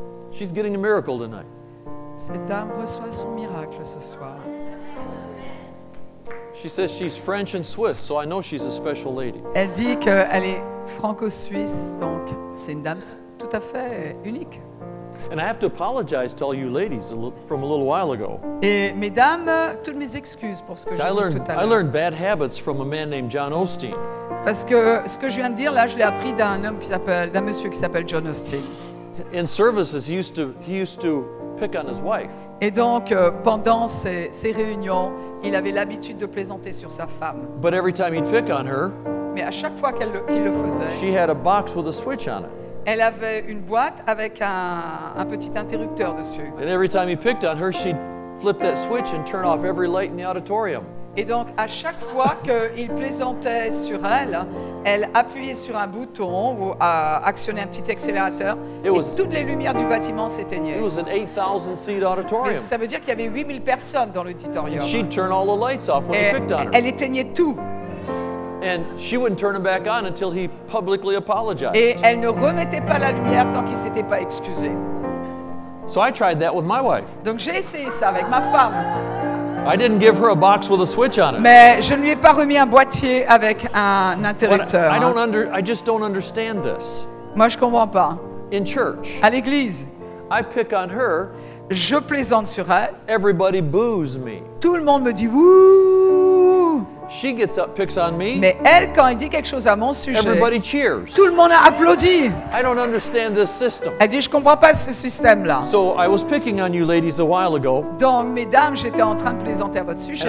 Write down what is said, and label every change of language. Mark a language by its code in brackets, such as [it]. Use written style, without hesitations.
[en] She's getting a miracle tonight. [fr] Cette dame reçoit son miracle ce soir. [en] She says she's French and Swiss, so I know she's a special lady. [fr] Elle dit qu'elle est franco-suisse, donc c'est une dame tout à fait unique. [en] And I have to apologize to all you ladies from a little while ago. [fr] Et mesdames, toutes mes excuses pour ce que j'ai dit tout à l'heure. [en] I learned bad habits from a man named John Osteen. [fr] Parce que ce que je viens de dire là, je l'ai appris d'un homme qui s'appelle, d'un monsieur qui s'appelle John Osteen. [en] In services, he used to pick on his wife. [fr] Et donc, pendant ces réunions, il avait l'habitude de plaisanter sur sa femme. [en] But every time he'd pick on her, [fr] mais à chaque fois qu'il le faisait, [en] she had a box with a switch on it. [fr] Elle avait une boîte avec un petit interrupteur dessus. [en] And every time he picked on her, she'd flip that switch and turn off every light in the auditorium. [fr] Et donc, à chaque fois qu'il plaisantait sur elle, elle appuyait sur un bouton ou actionnait un petit accélérateur et toutes les lumières du bâtiment s'éteignaient. [en] It was an 8,000 seat auditorium. [fr] Mais ça veut dire qu'il y avait 8,000 personnes dans l'auditorium. [en] She'd turn all the lights off when he picked on her. [fr] Elle éteignait tout. [en] And she wouldn't turn them back on until he publicly apologized. [fr] Et elle ne remettait pas la lumière tant qu'il ne s'était pas excusé. [en] So I tried that with my wife. [fr] Donc j'ai essayé ça avec ma femme. [en] I didn't give her a box with a switch on it. [fr] Mais je ne lui ai pas remis un boîtier avec un interrupteur. [en] I just don't understand this. [fr] Moi, je comprends pas. [en] In church. [fr] À l'église. [en] I pick on her. [fr] Je plaisante sur elle. [en] Everybody boos me. [fr] Tout le monde me dit wouh. [en] She gets up, picks on me. [fr] Mais elle, quand elle dit quelque chose à mon sujet, [en] everybody cheers. [fr] Tout le monde applaudit. [en] I don't understand this system. [fr] Elle dit, je comprends pas ce système-là. [en] So I was picking on you ladies a while ago. [fr] Donc, mesdames, j'étais en train de plaisanter à votre sujet.